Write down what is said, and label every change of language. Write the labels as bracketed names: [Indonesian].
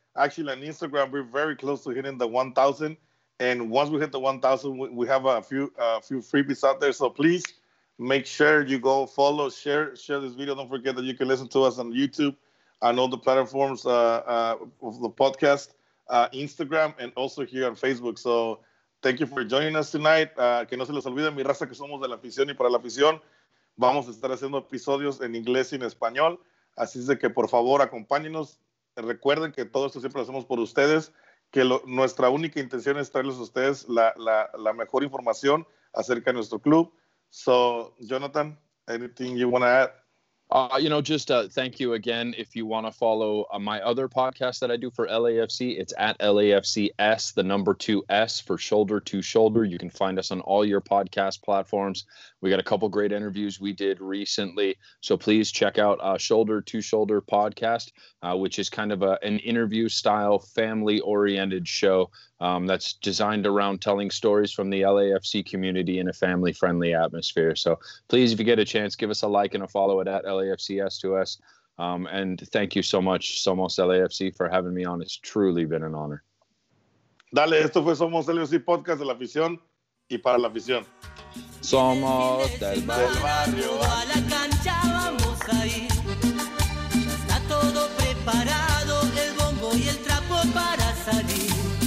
[English] Actually, on Instagram, we're very close to hitting the 1,000. And once we hit the 1,000, we have a few freebies out there. So please make sure you go follow, share this video. Don't forget that you can listen to us on YouTube and all the platforms of the podcast. Instagram, and also here on Facebook. So, thank you for joining us tonight. [Spanish] Que no se les olvide, mi raza, que somos de la afición y para la afición. Vamos a estar haciendo episodios en inglés y en español. Así es de que, por favor, acompáñenos. Recuerden que todo esto siempre lo hacemos por ustedes, que nuestra única intención es traerles a ustedes la mejor información acerca de nuestro club. [English] So, Jonathan, anything you want to add? You know, just thank you again. If you want to follow my other podcast that I do for LAFC, it's at LAFCS, the number 2S for Shoulder to Shoulder. You can find us on all your podcast platforms. We got a couple great interviews we did recently. So please check out Shoulder to Shoulder podcast, which is kind of an interview style, family oriented show that's designed around telling stories from the LAFC community in a family friendly atmosphere. So please, if you get a chance, give us a like and a follow it at LAFCS2S. And thank you so much, Somos LAFC, for having me on. It's truly been an honor. [Spanish] Dale, esto fue Somos LAFC podcast de la afición y para la afición. Somos del barrio. A la cancha vamos a ir. Ya está todo preparado, el bombo y el trapo para salir.